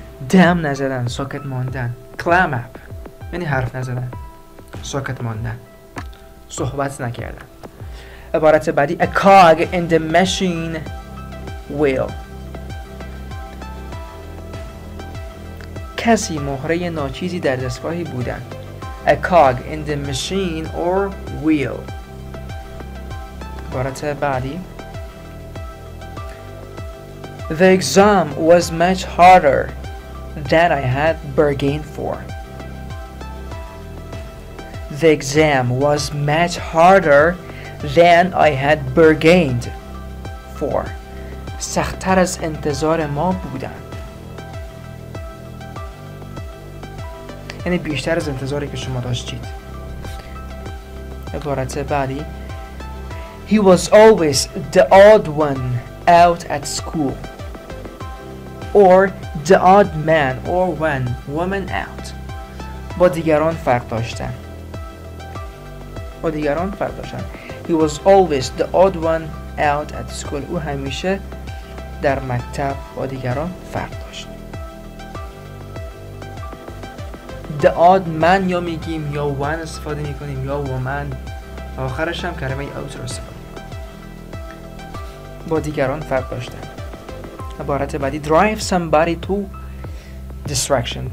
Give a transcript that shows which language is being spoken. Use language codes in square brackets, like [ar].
[fa] دم نزدن، ساکت ماندن. Clam up یعنی حرف نزدن، ساکت ماندن، صحبت نکردن. [en] عبارت بعدی A cog in the machine wheel. [fa] کسی مهره ناچیزی در دستگاهی بودن. [en] A cog in the machine or wheel. عبارت بعدی The exam was much harder than I had bargained for. The exam was much harder than I had bargained for. [fa] سخت‌تر از انتظار ما بودند. یعنی بیشتر از انتظاری که شما داشتید. [en] عبارت بعدی He was always the odd one out at school. Or the odd man or when woman out. [fa] با دیگران فرق داشتن. با دیگران فرق داشتن. [en] He was always the odd one out at school. [fa] او همیشه در مکتب با دیگران فرق داشت. The odd man یا میگیم یا when استفاده میکنیم یا woman. آخرش هم کلمه out رو استفاده میکنیم. با دیگران فرق داشتن. عبارت بعدی Drive somebody to distraction.